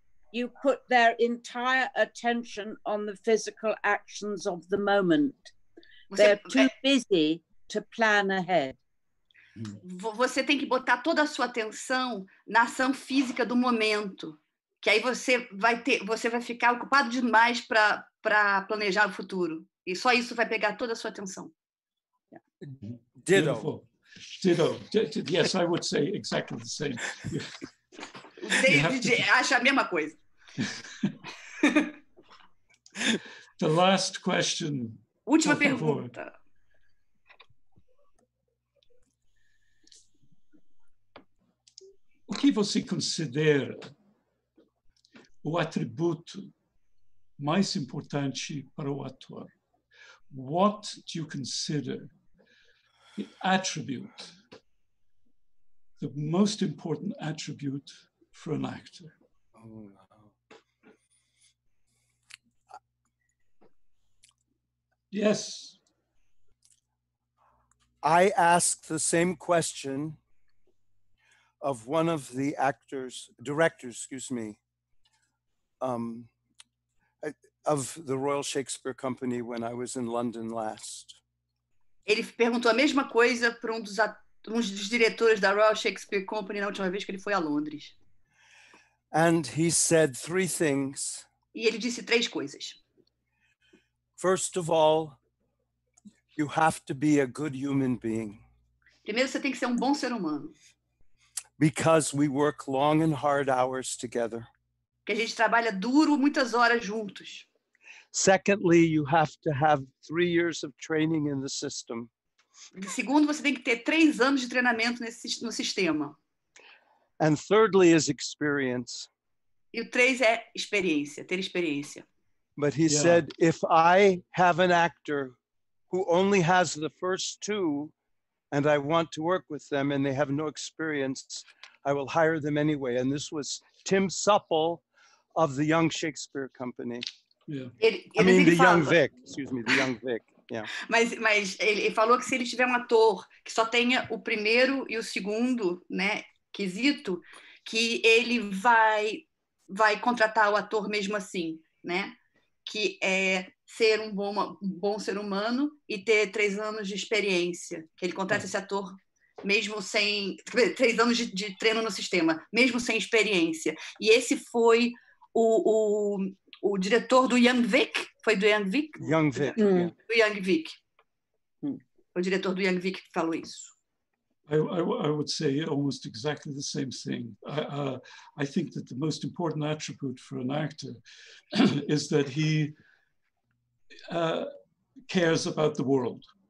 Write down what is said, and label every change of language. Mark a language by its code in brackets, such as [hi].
[en] You put their entire attention on the physical actions of the moment. They're too busy to plan ahead. [pt] Você tem que botar toda a sua atenção na ação física do momento, que aí você vai ficar ocupado demais para planejar o futuro. E só isso vai pegar toda a sua atenção. [en] Ditto. Ditto. Yes, I would say exactly the same. [pt] David acha a mesma coisa. [en] The last question. [pt] Última pergunta. que você considera o atributo mais importante para o ator? [en] What do you consider the attribute, the most important attribute for an actor? Yes. I asked the same question of one of the actors, directors, of the Royal Shakespeare Company when I was in London last. [pt] Ele perguntou a mesma coisa para um dos diretores da Royal Shakespeare Company na última vez que ele foi a Londres. [en] And he said three things. [pt] E ele disse três coisas. [en] First of all, you have to be a good human being. [pt] Primeiro, você tem que ser um bom ser humano. [en] Because we work long and hard hours together. [pt] Que a gente trabalha duro muitas horas juntos. [en] Secondly, you have to have 3 years of training in the system. [pt] Segundo, você tem que ter 3 anos de treinamento no sistema. [en] And thirdly is experience. [pt] E o três é experiência, ter experiência. [en] But he said, if I have an actor who only has the first two, and I want to work with them, and they have no experience, I will hire them anyway. And this was Tim Supple of the Young Shakespeare Company. Yeah. The Young Vic. Yeah. [pt] Mas ele falou que se ele tiver um ator que só tenha o primeiro e o segundo, né, quesito, que ele vai contratar o ator mesmo assim, né? Que é ser um bom ser humano e ter 3 anos de experiência. Que ele contrata esse ator mesmo sem... 3 anos de treino no sistema, mesmo sem experiência. E esse foi o diretor do Young Vic? Foi do Young Vic? Young Vic. Do Young Vic. O diretor do Young Vic que falou isso. [en] I would say almost exactly the same thing. I think that the most important attribute for an actor is that he cares about the world.